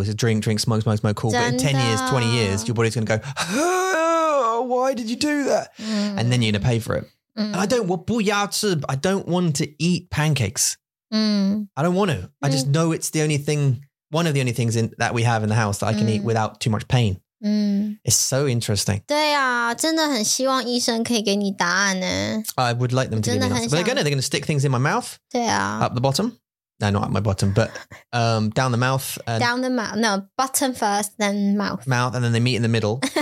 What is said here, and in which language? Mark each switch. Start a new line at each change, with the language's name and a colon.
English: It's a drink, smoke, cool. 真的? But in 10 years, 20 years, your body's going to go, oh, why did you do that? Mm. And then you're going to pay for it. Mm. I don't want to eat pancakes. Mm. I don't want to. I just know it's the only thing, one of the only things that we have in the house that I can eat without too much pain. Mm. It's so interesting.
Chinese: 对啊，真的很希望医生可以给你答案呢。 I
English: would like them to give me an answer. But they're gonna stick things in my mouth.
Chinese: 对啊。 Up
English: the bottom. No, not up my bottom, but down the mouth. And down the mouth. No, bottom first, then mouth. Mouth, and then they meet in the middle.